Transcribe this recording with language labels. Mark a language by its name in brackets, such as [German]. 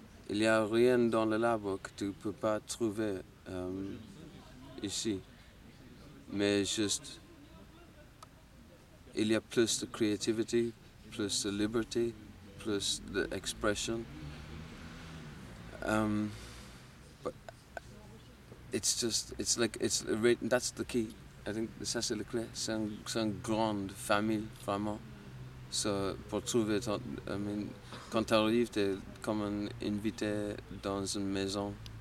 [French] Il n'y a rien dans le labo que tu ne peux pas trouver ici, mais juste, il y a plus de créativité, plus de liberté, plus d'expression. [English] It's just, it's like, it's written, that's the key. I think [French] ça c'est le clé. C'est une grande famille, vraiment. So, pour trouver, [English] I mean, [French] quand t'arrives, t'es comme un invité dans une maison.